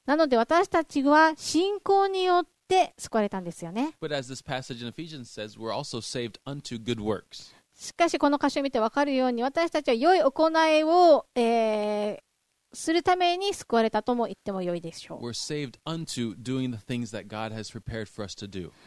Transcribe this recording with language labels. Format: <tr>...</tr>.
<ja>なので私たちは信仰によってで救われたんですよね。</ja> <en>But as this passage in Ephesians says, we're also saved unto good works.</en> <ja>しかしこの箇所を見て分かるように、私たちは良い行いを、するために救われたとも言っても良いでしょう。</ja> <en>We're saved unto doing the things that God has prepared for us to do.</en>